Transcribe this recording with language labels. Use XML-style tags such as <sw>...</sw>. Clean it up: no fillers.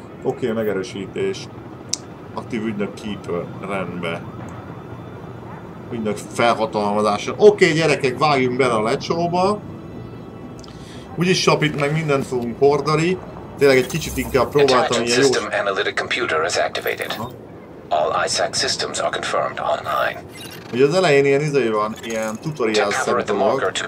<hu>Oké, megerősítés. Aktív ügynök keeper. Rendben. Ügynök felhatalmazása. Oké, gyerekek, vágjunk bele a lecsóba. Úgyis sapít meg mindent fogunk hordani. Tényleg egy kicsit inkább próbáltam ilyen jó...</hu> <en>System analytic computer is activated. All ISAC systems are confirmed online.</en> <hu>Ugye az elején ilyen izé van, ilyen tutoriál szempontból.</hu>